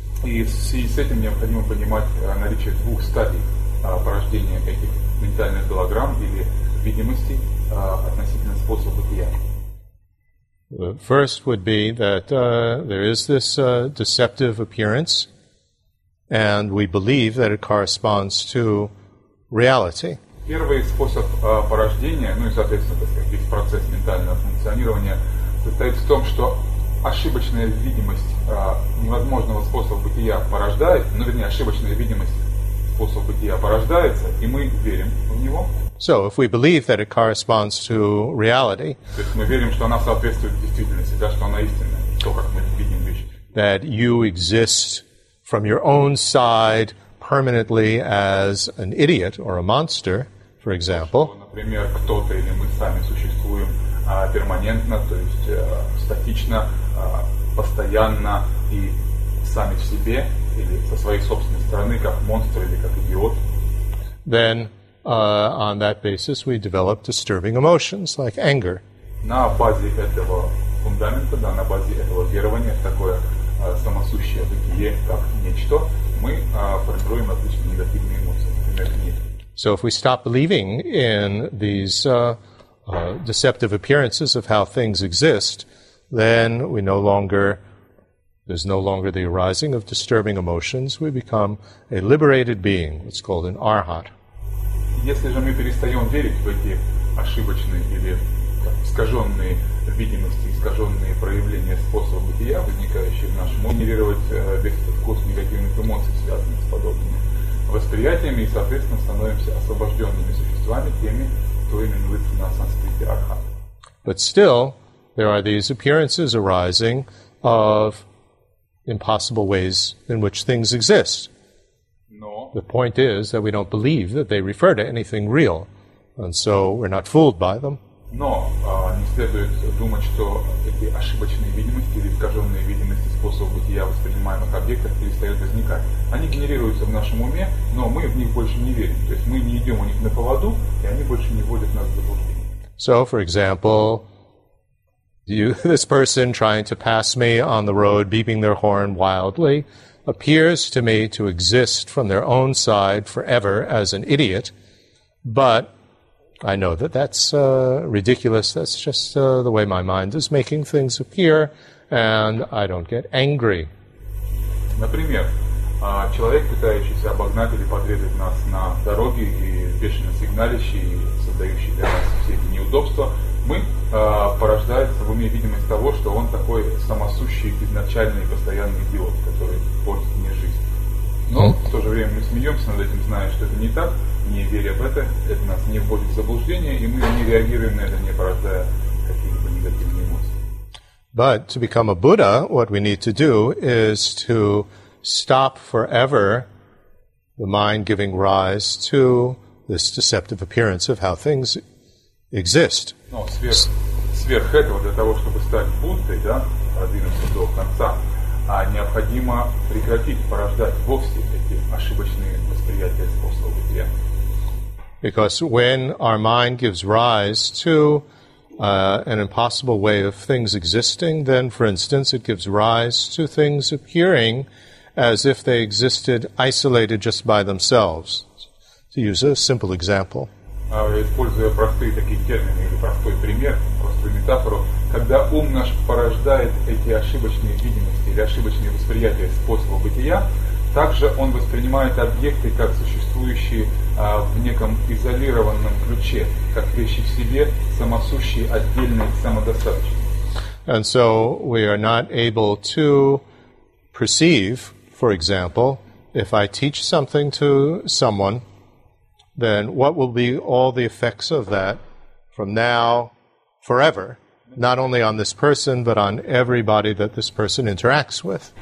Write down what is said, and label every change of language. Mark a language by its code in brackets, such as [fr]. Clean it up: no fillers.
[ru] И в связи с этим необходимо понимать наличие двух стадий порождения этих ментальных голограмм или видимости относительно способа бытия. [en] The first would be that there is this deceptive appearance, and we believe that it corresponds to reality. [ru] Первый способ порождения, ну и, соответственно, так сказать, весь процесс ментального функционирования состоит в том, что ошибочная видимость невозможного способа бытия порождает, ну, вернее, ошибочная видимость способа бытия порождается, и мы верим в него. [en] So, if we believe that it corresponds to reality, [ru] то есть мы верим, что она соответствует действительности, да, что она истинная, то, как мы видим вещи. [en] That you exist from your own side permanently as an idiot or a monster, for example. [ru] Что, например, кто-то или мы сами существуем перманентно, то есть статично, постоянно и сами в себе или со своей собственной стороны, как монстр или как идиот. [en] Then, on that basis, we develop disturbing emotions like anger. [ru] На базе этого фундамента, да, на базе этого верования в такое самосущее бытие, как нечто, мы формируем различные негативные эмоции, например, гнев. [en] So if we stop believing in these deceptive appearances of how things exist, then there's no longer the arising of disturbing emotions. We become a liberated being. It's called an arhat. [ru] Если же мы перестаем верить в эти ошибочные или искаженные видимости, искаженные проявления способа бытия, возникающие в нашем, генерировать весь этот вкус негативных эмоций, связанных с подобными восприятиями, и, соответственно, становимся освобожденными существами, теми, кто именуется на санскрите архат. [en] But still, there are these appearances arising of impossible ways in which things exist. No. The point is that we don't believe that they refer to anything real, and so we're not fooled by them. [ru] Но не следует думать, что эти ошибочные видимости или искаженные видимости способов бытия воспринимаемых объектов перестают возникать. Они генерируются в нашем уме, но мы в них больше не верим. То есть мы не идем у них на поводу, и они больше не вводят нас в заблуждение. [en] So, for example, this person trying to pass me on the road, beeping their horn wildly, appears to me to exist from their own side forever as an idiot, but I know that that's ridiculous, that's just the way my mind is making things appear, and I don't get angry. [ru] Например, человек, пытающийся обогнать или подрезать нас на дороге и бешено сигналищий, создающий для нас все эти неудобства, мы порождается в уме видимость того, что он такой самосущий, изначальный, постоянный идиот, который портит мне жизнь. Но в то же время мы смеемся над этим, зная, что это не так. Не веря в это нас не вводит в заблуждение, и мы не реагируем на это, не порождая какие-либо негативные эмоции. [en] But to become a Buddha, what we need to do is to stop forever the mind giving rise to this deceptive appearance of how things exist. [ru] Но сверх этого, для того, чтобы стать Буддой, да, продвинуться до конца, необходимо прекратить порождать вовсе эти ошибочные восприятия способов бытия. [en] Because when our mind gives rise to an impossible way of things existing, then, for instance, it gives rise to things appearing as if they existed isolated just by themselves. To use a simple example. [ru] Используя простые такие термины или простой пример, простую метафору, когда ум наш порождает эти ошибочные видимости или ошибочные восприятия способа бытия, также он воспринимает объекты как существующие в неком изолированном ключе, как вещи в себе, самосущие, отдельные, самодостаточные. [en] And so we are not able to perceive, for example, if I teach something to someone, then what will be all the effects of that from now forever? Not only on this person, but on everybody that this person interacts with.